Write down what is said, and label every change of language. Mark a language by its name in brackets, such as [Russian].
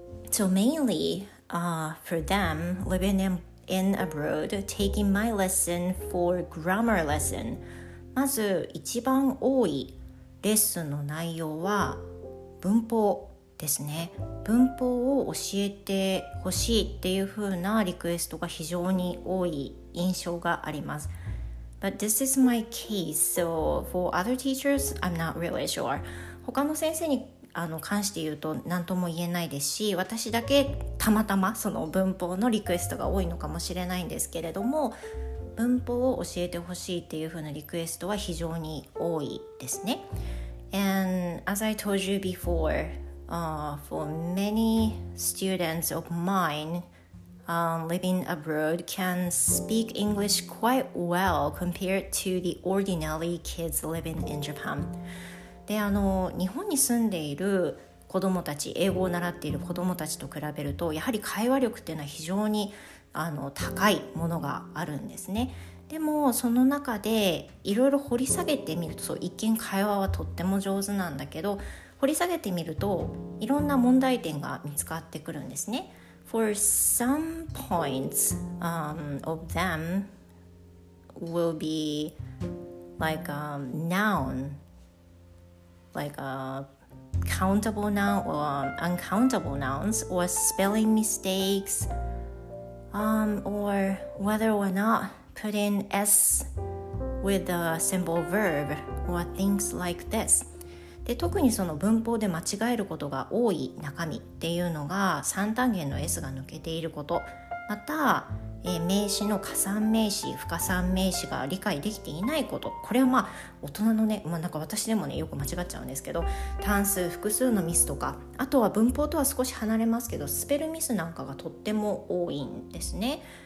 [English] So mainly, for them living in abroad, taking my lesson for grammar lesson. [Japanese] まず一番多いレッスンの内容は文法ですね。文法を教えてほしいっていうふうなリクエストが非常に多い印象があります。 [English] But this is my case, so for other teachers, I'm not really sure. [Japanese] 他の先生に関して言うと何とも言えないですし、私だけたまたまその文法のリクエストが多いのかもしれないんですけれども、文法を教えてほしいっていうふうなリクエストは非常に多いですね。 [English] And as I told you before, for many students of mineliving abroad can speak English quite well compared to the ordinary kids living in Japan. [Japanese] で、日本に住んでいる子どもたち、英語を習っている子どもたちと比べると、やはり会話力っていうのは非常に高いものがあるんですね。でもその中でいろいろ掘り下げてみると、そう、一見会話はとっても上手なんだけど、掘り下げてみるといろんな問題点が見つかってくるんですね。 [English] For some points of them will be like a noun, like a countable noun or uncountable nouns, or spelling mistakes, or whether or not put in S with a simple verb, or things like this. [Japanese] で、特にその文法で間違えることが多い中身っていうのが、三単元の S が抜けていること、また、名詞の加算名詞、不加算名詞が理解できていないこと、これはまあ大人のね、まあ、なんか私でもねよく間違っちゃうんですけど、単数複数のミスとか、あとは文法とは少し離れますけどスペルミスなんかがとっても多いんですね。